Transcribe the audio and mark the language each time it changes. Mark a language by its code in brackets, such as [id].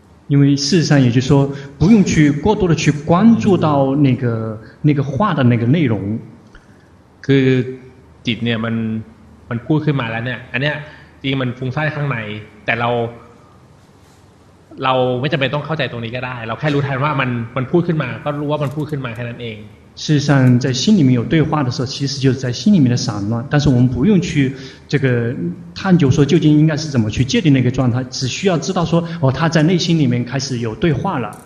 [zh] 因为事实上也就是说不用去过多的去关注到那个话的那个内容 [th] คือจิตเนี่ยมันพูดขึ้นมาแล้วเนี่ยอันเนี้ยจริงมันฟุ้งซ่านข้างในแต่เราไม่จำเป็นต้องเข้าใจตรงนี้ก็ได้เราแค่รู้ทันว่ามันพูดขึ้นมาก็รู้ว่ามันพูดขึ้นมาแค่นั้นเอง [zh] 事实上在心里面有对话的时候其实就是在心里面的散乱但是我们不用去这个探究说究竟应该是怎么去界定那个状态只需要知道说哦他在内心里面开始有对话了